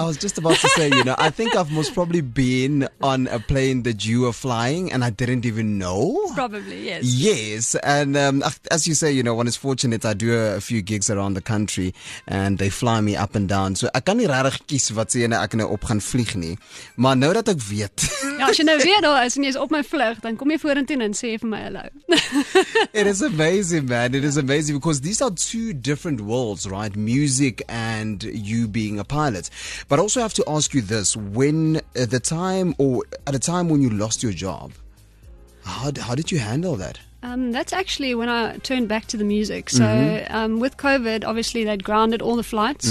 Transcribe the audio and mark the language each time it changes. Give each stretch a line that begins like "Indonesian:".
English: I was just about to say, you know, I think I've most probably been on a plane that you are flying, and I didn't even know. Probably, yes. Yes, and as you say, you know, when it's fortunate, I do a few gigs around the country, and they fly me up and down. So I can't
Afrikaans: rarig kies wat sê en ek nou op gaan vlieg nie. Maar nou dat ek weet. Ja, as jy nou weet daar is en jy is op my vlug, dan kom jy vorentoe en sê vir my hello.
English: It is amazing, man. It is amazing because these are two different worlds, right? Music and you being a pilot. But I also have to ask you this. When at a time when you lost your job, how did you handle that? That's actually when I turned back to the music. So with COVID, obviously they'd grounded all the flights.